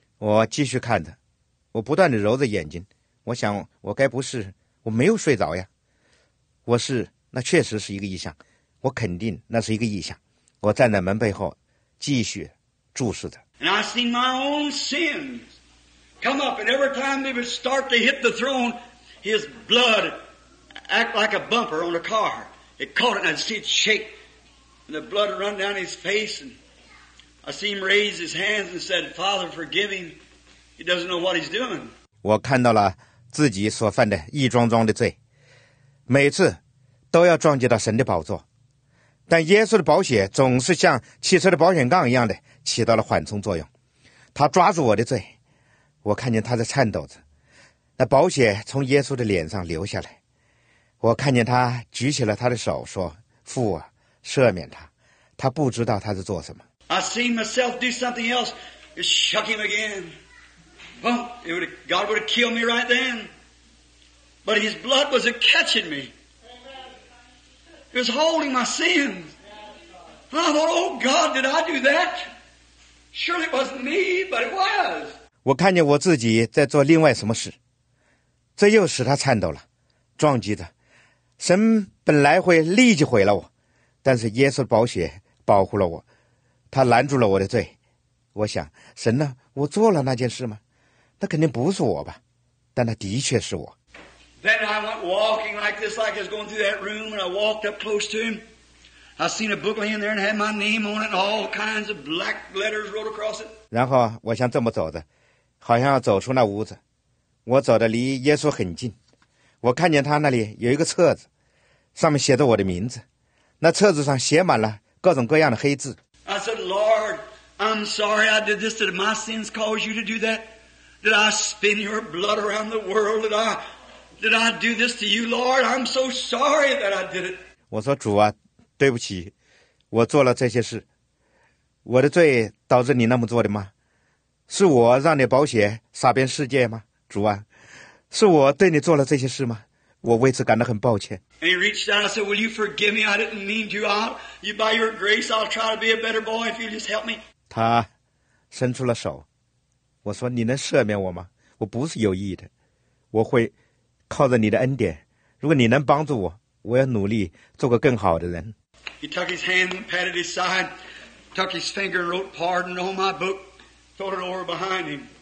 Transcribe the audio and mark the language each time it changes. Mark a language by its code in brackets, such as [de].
[zh] 我继续看着，我不断地揉着眼睛。我想，我该不是，我没有睡着呀。我是，那确实是一个异象。我肯定那是一个异象。我站在门背后，继续注视着。 [en] And I seen my own sins come up. And every time they would start to hit the throne,His blood act like a bumper on a car. It caught it and I see it shake. And the blood run down his face. And I see him raise his hands and said, Father, forgive him. He doesn't know what he's doing. [zh] 我看到了自己所犯的一桩桩的罪。每次都要撞击到神的宝座。但耶稣的宝血总是像汽车的保险杠一样的起到了缓冲作用。他抓住我的罪。我看见他在颤抖着。那宝血从耶稣的脸上流下来，我看见他举起了他的手，说：“父啊，赦免他，他不知道他是做什么。” [en] I seen myself do something else. It shook him again. Well, God would have killed me right then, but His blood was catching me. It was holding my sins. I thought, Oh God, did I do that? Surely it wasn't me, but it was. [zh] 我看见我自己在做另外什么事。这又使他颤抖了，撞击着。神本来会立即毁了我，但是耶稣的宝血保护了我，他拦住了我的罪。我想，神呢？我做了那件事吗？那肯定不是我吧？但那的确是我。 [en] Then I went walking like this, like I was going through that room, and I walked up close to him, I seen a book laying there and had my name on it and all kinds of black letters wrote across it. [zh] 然后我想这么走的，好像要走出那屋子。我走的离耶稣很近，我看见他那里有一个册子，上面写着我的名字。那册子上写满了各种各样的黑字。 [en] I said, Lord, I'm sorry I did this. Did my sins cause you to do that? Did I spin your blood around the world? Did I do this to you, Lord? I'm so sorry that I did it. [zh] 我说主啊，对不起，我做了这些事。我的罪导致你那么做的吗？是我让你保险撒遍世界吗？主啊，是我对你做了这些事吗？我为此感到很抱歉。 [en] And he reached out and said, Will you forgive me? I didn't mean to. You by your grace, I'll try to be a better boy if you just help me. [zh] 他伸出了手。我说，你能赦免我吗？我不是有意的。我会靠着你的恩典。如果你能帮助我，我要努力做个更好的人。 [en] He took his hand and patted his side, took his finger and wrote pardon on my book, thrown it over behind him.